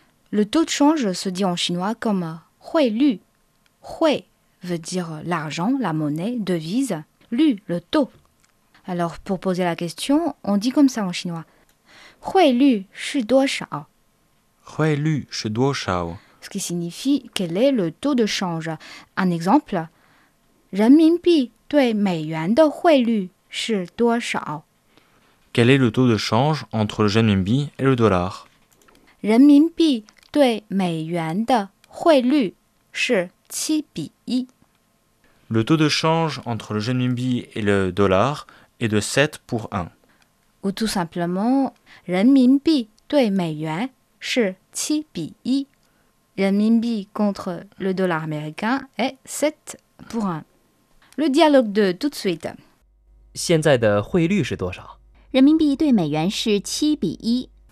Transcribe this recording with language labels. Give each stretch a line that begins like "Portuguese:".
French: Le taux de change se dit en chinois comme hui lu. Hui veut dire l'argent, la monnaie, devise. Lu, le taux. Alors, pour poser la question, on dit comme ça en chinois.
Chinese: 汇率是多少？汇率是多少？
French: Ce qui signifie quel est le taux de change. Un exemple.
Chinese: 人民币对美元的汇率是多少？
French: Quel est le taux de change entre le renminbi et le dollar?
Chinese: 人民币对美元的汇率是7:1.
French: Le taux de change entre le renminbi et le dollar et de 7:1. Ou tout simplement,
Chinese: 人民币对美元是7:1.
French: 人民币 contre le dollar américain est 7:1. Le dialogue de tout de suite.
Chinese: 现在的汇率是多少？人民币对美元是7:1.